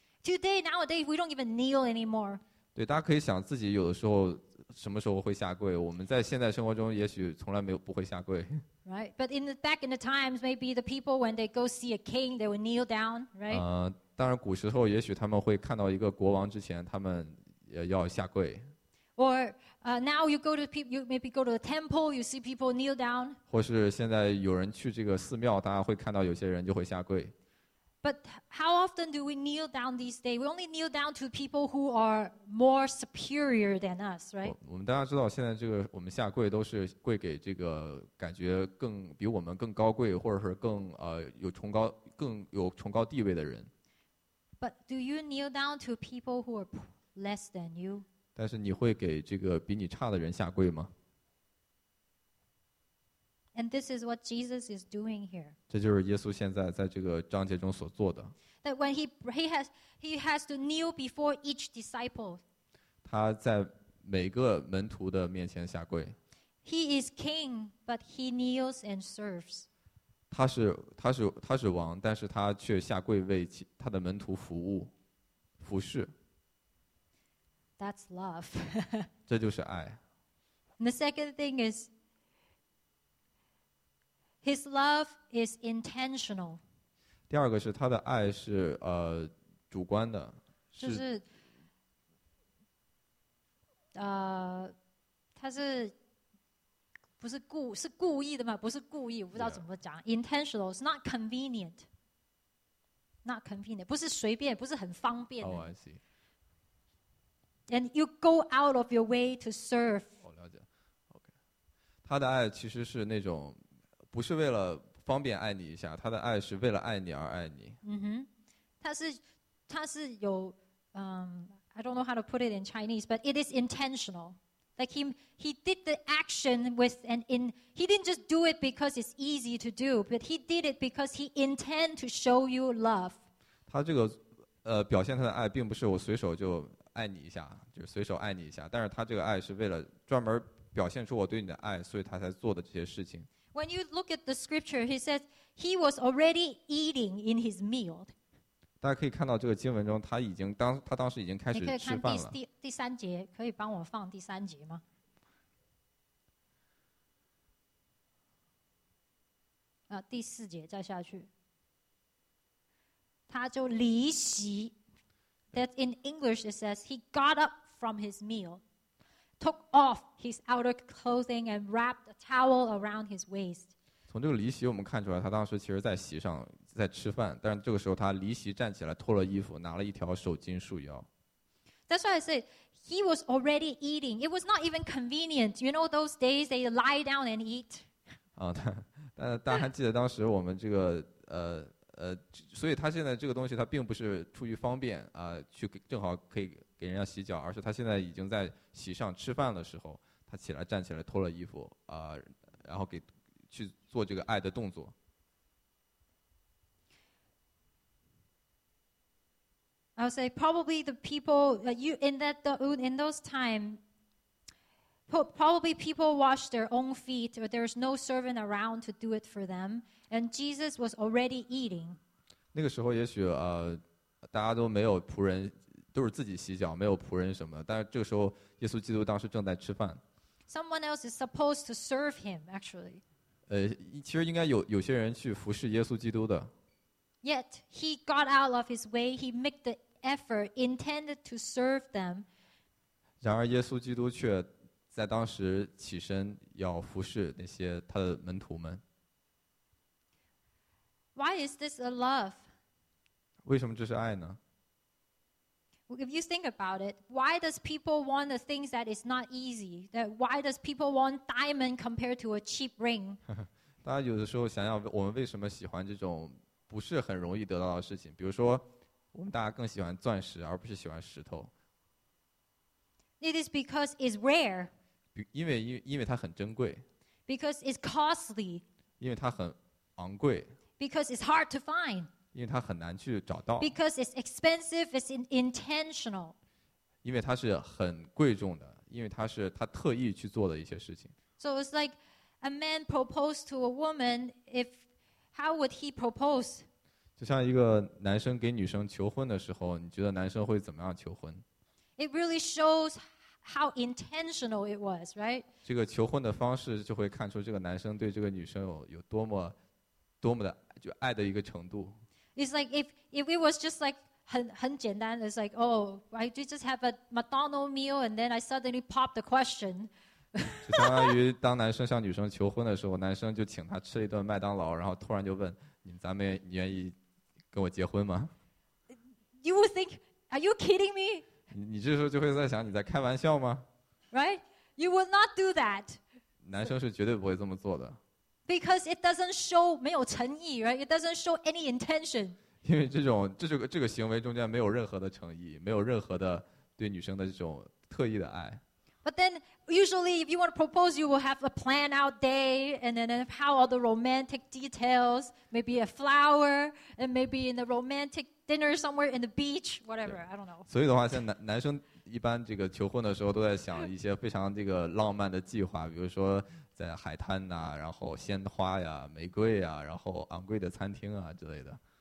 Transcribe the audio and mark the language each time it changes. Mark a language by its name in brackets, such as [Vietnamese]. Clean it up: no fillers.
[English] Today, nowadays, we don't even kneel anymore. [Chinese] 对，大家可以想自己有的时候什么时候会下跪。我们在现在生活中也许从来没有不会下跪。 [English] Right, but in the back in the times, maybe the people when they go see a king, they would kneel down, right? [Chinese] 当然古时候也许他们会看到一个国王之前，他们也要下跪。 [English] Or now you go to people, you maybe go to the temple, you see people kneel down. [Chinese] 或是现在有人去这个寺庙，大家会看到有些人就会下跪。 [English] But how often do we kneel down these days? We only kneel down to people who are more superior than us, right? [Chinese] 我们大家知道，现在这个我们下跪都是跪给这个感觉更比我们更高贵，或者是更更有崇高地位的人。 [English] But do you kneel down to people who are less than you? [Chinese] 但是你会给这个比你差的人下跪吗？ [English] And this is what Jesus is doing here. [Chinese] 这就是耶稣现在在这个章节中所做的。 [English] That when he has to kneel before each disciple. [Chinese] 他在每个门徒的面前下跪。 [English] He is king, but he kneels and serves. [Chinese] 他是王，但是他却下跪为他的门徒服务，服侍。 [English] That's love. [Chinese] 这就是爱。 [English] And the second thing is, his love is intentional. [Chinese] 第二个是他的爱是主观的，就是他是。不是故是故意的吗？不是故意，我不知道怎么讲。 [English] Yeah. Intentional, it's not convenient. Not convenient, [Chinese] 不是随便，不是很方便的。 [English] Oh, I see. And you go out of your way to serve. [Chinese] 我了解。Okay. 他的爱其实是那种，不是为了方便爱你一下，他的爱是为了爱你而爱你。嗯哼，他是有 [English] I don't know how to put it in Chinese, but it is intentional. Like he did the action with an in. He didn't just do it because it's easy to do, but he did it because he intend to show you love. [Chinese] 他这个表现他的爱，并不是我随手就爱你一下，就随手爱你一下。但是他这个爱是为了专门表现出我对你的爱，所以他才做的这些事情。 [English] When you look at the scripture, he says he was already eating in his meal. [Chinese] 大家可以看到这个经文中他当时已经开始吃饭了。你可以看第三节，可以帮我放第三节吗？第四节再下去。他就离席。 [English] That in English it says, he got up from his meal, took off his outer clothing and wrapped a towel around his waist. [Chinese] 从这个离席我们看出来，他当时其实在席上。在吃饭，但这个时候他离席站起来，脱了衣服，拿了一条手巾束腰。 [English] That's why I said he was already eating. It was not even convenient. You know those days they lie down and eat. [Chinese] 但大家还记得当时我们这个所以他现在这个东西他并不是出于方便啊，去正好可以给人家洗脚，而是他现在已经在席上吃饭的时候，他起来站起来脱了衣服啊，然后给去做这个爱的动作。 [English] I'll say probably the people you in that in those time. Probably people wash their own feet, or there's no servant around to do it for them. And Jesus was already eating. [Chinese] 那个时候也许大家都没有仆人，都是自己洗脚，没有仆人什么。但是这个时候，耶稣基督当时正在吃饭。 [English] Someone else is supposed to serve him, actually. [Chinese] 其实应该有些人去服侍耶稣基督的。 [English] Yet he got out of his way. He made the effort intended to serve them. [Chinese] 然而，耶稣基督却在当时起身要服侍那些他的门徒们。 [English] Why is this a love? [Chinese] 为什么这是爱呢？ [English] If you think about it, why does people want the things that is not easy? That why does people want diamond compared to a cheap ring? [Chinese] 大家有的时候想想，我们为什么喜欢这种？不是很容易得到的事情，比如说，我们大家更喜欢钻石而不是喜欢石头。 [English] It is because it's rare. [Chinese] 因为它很珍贵。 [English] Because it's costly. [Chinese] 因为它很昂贵。 [English] Because it's hard to find. [Chinese] 因为它很难去找到。 [English] Because it's expensive. It's intentional. [Chinese] 因为它是很贵重的，因为它是他特意去做的一些事情。 [English] So it's like a man proposed to a woman if. How would he propose? [Chinese] 就像一个男生给女生求婚的时候，你觉得男生会怎么样求婚？ [English] It really shows how intentional it was, right? [Chinese] 这个求婚的方式就会看出这个男生对这个女生有多么的就爱的一个程度。 [English] It's like if it was just like [Chinese] 很简单 [English] ，it's like oh, I just have a McDonald's meal and then I suddenly pop the question. [Chinese] 就相当于当男生向女生求婚的时候，男生就请她吃了一顿麦当劳，然后突然就问：“你愿意跟我结婚吗 [English] ？”You would think, are you kidding me? [Chinese] 你这时候就会在想，你在开玩笑吗 [English] ？Right? You would not do that. [Chinese] 男生是绝对不会这么做的。 [English] Because it doesn't show [Chinese] 没有诚意 [English] ，right? It doesn't show any intention. [Chinese] 因为这个行为中间没有任何的诚意，没有任何的对女生的这种特意的爱。 [English] But then, usually, if you want to propose, you will have a plan out day, and then have all the romantic details, maybe a flower, and maybe in the romantic dinner somewhere in the beach, whatever. I don't know. [Chinese] 所以的话，像男生一般这个求婚的时候，都在想一些非常这个浪漫的计划，比如说在海滩呐、啊，然后鲜花呀、玫瑰呀、啊，然后昂贵的餐厅啊之类的。